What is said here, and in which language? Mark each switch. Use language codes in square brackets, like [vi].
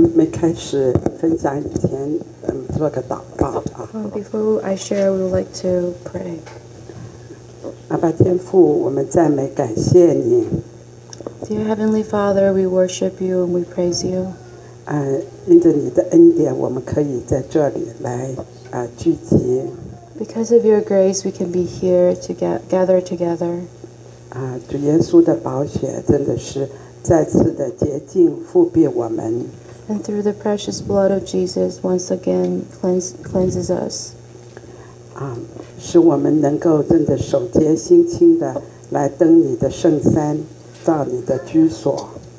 [zh] 开始分享以前，做个祷告啊。 [en] Before I share, we would like to pray. [zh] 阿爸天父，我们赞美感谢你。 [en] Dear Heavenly Father, we worship you and we praise you. [zh] 因着你的恩典，我们可以在这里来聚集。 [en] Because of your grace, we can be here to gather together. [zh] 主耶稣的宝血真的是再次的洁净覆庇我们。 [en] And through the precious blood of Jesus, once again cleanses us. [zh] 使我们能够真的手洁心清的来登你的圣山，到你的居所。